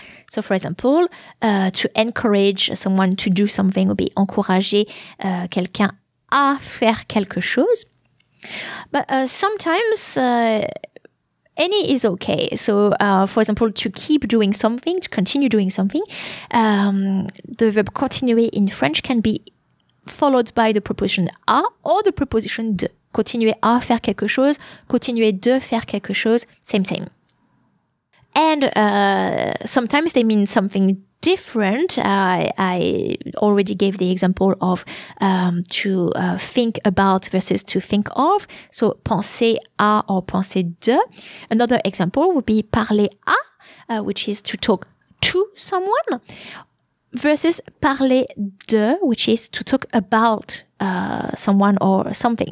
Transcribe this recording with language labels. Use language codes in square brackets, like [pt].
[en] So, for example, to encourage someone to do something would be [fr] encourager quelqu'un à faire quelque chose. [en] But sometimes any is okay. So, for example, to keep doing something, to continue doing something, the verb continuer in French can be followed by the preposition à or the preposition de. [fr] Continuer à faire quelque chose, continuer de faire quelque chose, [en] same. And sometimes they mean something different. I already gave the example of to think about versus to think of. So penser à or penser de. Another example would be parler à, which is to talk to someone, versus parler de, which is to talk about someone or something.